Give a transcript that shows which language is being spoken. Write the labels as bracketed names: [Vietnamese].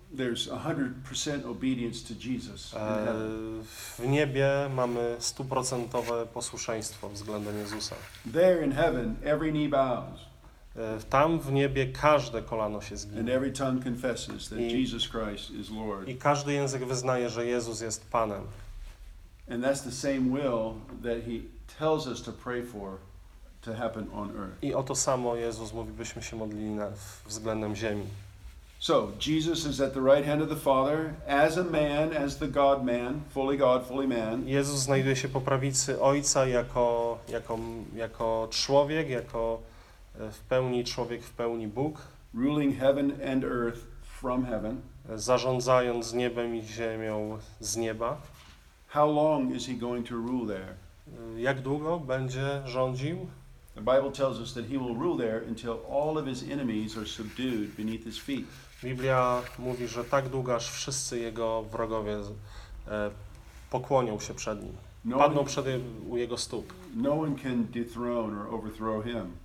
[English] There's 100% obedience to Jesus. [Polish] W niebie mamy 100% posłuszeństwo względem Jezusa. [English] There in heaven every knee bows. [Polish] Tam w niebie każde kolano się zgina. [English] And every tongue confesses that Jesus Christ is Lord. [Polish] I każdy język wyznaje, że Jezus jest Panem. [English] And that's the same will that he tells us to pray for. To happen on earth. [Polish] I o to samo Jezus mówi, byśmy się modlili względem ziemi. [English] So Jesus is at the right hand of the Father as a man, as the God-man, fully God, fully man. [Polish] Jezus znajduje się po prawicy Ojca jako jako człowiek, jako w pełni człowiek, w pełni Bóg. [English] Ruling heaven and earth from heaven. [Polish] Zarządzając niebem i ziemią z nieba. [English] How long is he going to rule there? [Polish] Jak długo będzie rządził? [English] The Bible tells us that he will rule there until all of his enemies are subdued beneath his feet. [Polish] Biblia mówi, że tak długo, aż wszyscy jego wrogowie pokłonią się przed nim, padną przed u jego stóp. [English] No one can dethrone or overthrow him.